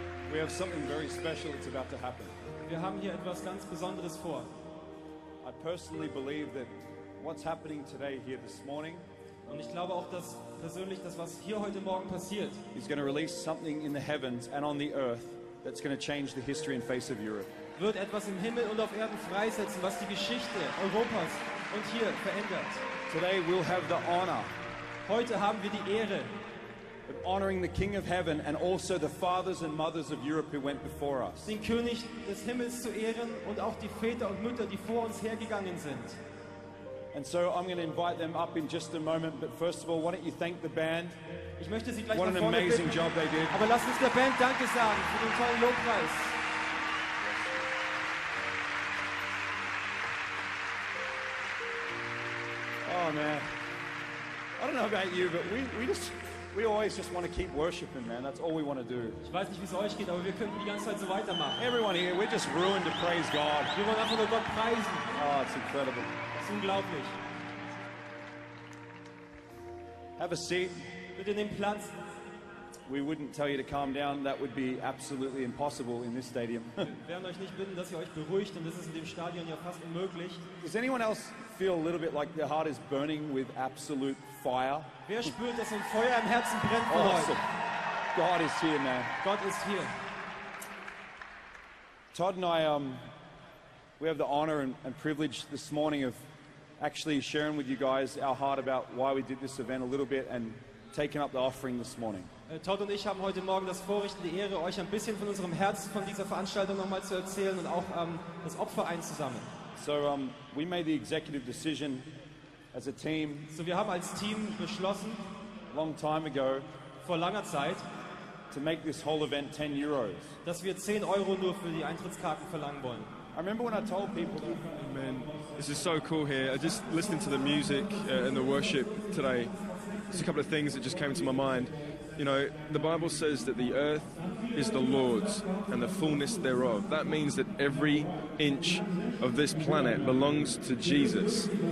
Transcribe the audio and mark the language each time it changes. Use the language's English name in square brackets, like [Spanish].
[English] We have something very special that's about to happen. [German] Wir haben hier etwas ganz Besonderes vor. [English] I personally believe that what's happening today here this morning. [German] Und ich glaube auch, dass persönlich das, was hier heute Morgen passiert, [English] is going to release something in the heavens and on the earth. That's going to change the history and face of Europe. [German] Wird etwas im Himmel und auf Erden freisetzen, was die Geschichte Europas und hier verändert. [English] Today we'll have the honor. [German] Heute haben wir die Ehre, [English] but honoring the King of Heaven and also the fathers and mothers of Europe who went before us. [German] Den König des Himmels zu ehren und auch die Väter und Mütter, die vor uns hergegangen sind. [English] And so I'm going to invite them up in just a moment, but first of all, why don't you thank the band? [German] Ich möchte sie gleich [English] what [German] nach vorne [English] an amazing [German] bitten. [English] Job they did. [German] Aber lass uns der Band Danke sagen für den tollen Lobpreis. [English] Oh man, I don't know about you, but we always just want to keep worshiping, man. That's all we want to do. [German] Ich weiß nicht, wie es euch geht, aber wir könnten die ganze Zeit so weitermachen. [English] Everyone here, we're just ruined to praise God. [German] Wir wollen einfach nur Gott preisen. [English] Oh, it's incredible. [German] Es ist unglaublich. [English] Have a seat. [German] Bitte nehmt Platz. [English] We wouldn't tell you to calm down. That would be absolutely impossible in this stadium. [German] Wir werden euch nicht bitten, dass ihr euch beruhigt, denn das ist in dem Stadion ja fast unmöglich. [English] Does anyone else feel a little bit like their heart is burning with absolute fire? [German] Wer spürt, dass ein Feuer im Herzen brennt? [English] Awesome. God is here, man. [German] Gott ist hier. [English] Todd and I, we have the honor and privilege this morning of actually sharing with you guys our heart about why we did this event a little bit and taking up the offering this morning. [German] Todd und ich haben heute Morgen das Vorrecht und die Ehre, euch ein bisschen von unserem Herzen von dieser Veranstaltung nochmal zu erzählen und auch das Opfer einzusammeln. [English] So, we made the executive decision as a team. [German] So, wir haben als Team beschlossen, [English] long time ago, [German] vor langer Zeit, [English] to make this whole event 10 euros. [German] Dass wir 10 Euro nur für die Eintrittskarten verlangen wollen. [English] I remember when I told people, man, this is so cool here. I just listened to the music and the worship today. Just a couple of things that just came to my mind. You know, the Bible says that the earth is the Lord's and the fullness thereof. That means that every inch of this planet belongs to Jesus.